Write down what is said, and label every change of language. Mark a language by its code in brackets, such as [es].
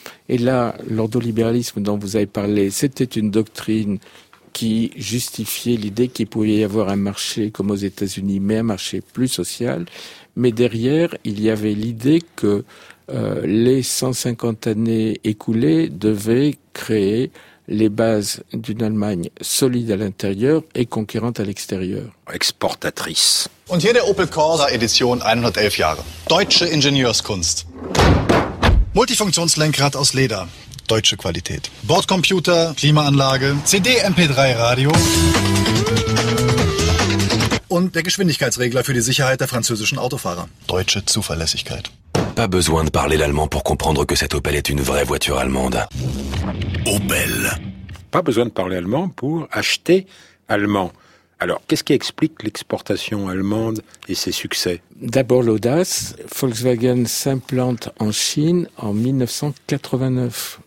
[fr] Et là, l'ordolibéralisme dont vous avez parlé, c'était une doctrine qui justifiait l'idée qu'il pouvait y avoir un marché comme aux États-Unis, mais un marché plus social. Mais derrière, il y avait l'idée que les 150 années écoulées devaient créer les bases d'une Allemagne solide à l'intérieur et conquérante à l'extérieur. Exportatrice. [de] Und hier der Opel Corsa Edition 111 Jahre. Deutsche Ingenieurskunst. Multifunktionslenkrad aus Leder. Deutsche Qualität. Bordcomputer, Klimaanlage, CD-MP3-Radio und der Geschwindigkeitsregler für die Sicherheit der französischen Autofahrer. Deutsche Zuverlässigkeit. [fr] Pas besoin de parler l'allemand pour comprendre que cette Opel est une vraie voiture allemande. Opel. Pas besoin de parler allemand pour acheter allemand. Alors, qu'est-ce qui explique l'exportation allemande et ses succès? D'abord l'audace. Volkswagen s'implante en Chine en 1989.